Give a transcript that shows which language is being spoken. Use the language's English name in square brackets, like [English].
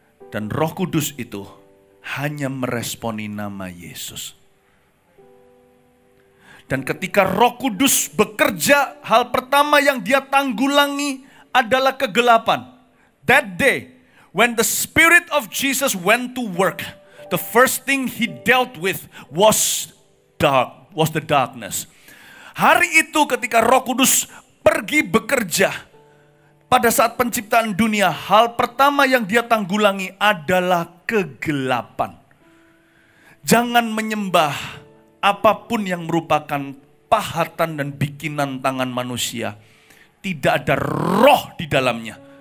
[Indonesian] Dan Roh Kudus itu hanya meresponi nama Yesus. Dan ketika Roh Kudus bekerja, hal pertama yang dia tanggulangi adalah kegelapan. [English] That day, when the Spirit of Jesus went to work, the first thing he dealt with was the darkness. [Indonesian] Hari itu ketika Roh Kudus pergi bekerja, pada saat penciptaan dunia, hal pertama yang dia tanggulangi adalah kegelapan. Jangan menyembah apapun yang merupakan pahatan dan bikinan tangan manusia, tidak ada roh di dalamnya.